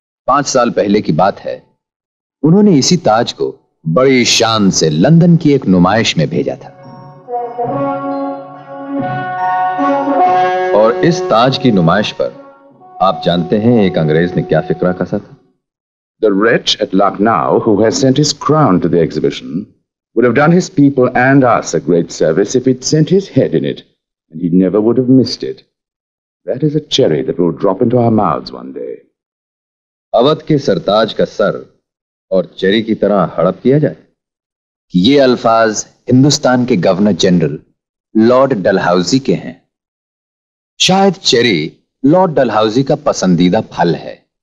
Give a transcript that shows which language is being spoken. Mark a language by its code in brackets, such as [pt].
[hi] 5 साल पहले की बात है, उन्होंने इसी ताज को बड़ी शान से लंदन की एक नुमाइश में भेजा था और इस ताज की नुमाइश पर आप जानते हैं एक अंग्रेज ने क्या फिक्रा कसा था? [en] The wretch at Lucknow who has sent his crown to the exhibition would have done his people and us a great service if he'd sent his head in it, and he never would have missed it. That is a cherry that will drop into our mouths one day. [hi] Awadh के सरताज का sir और cherry की तरह हड़प किया जाए? कि ये अल्फाज हिंदुस्तान के गवर्नर जनरल लॉर्ड डलहौजी के हैं। शायद चेरी लॉर्ड डलहौजी का पसंदीदा फल है।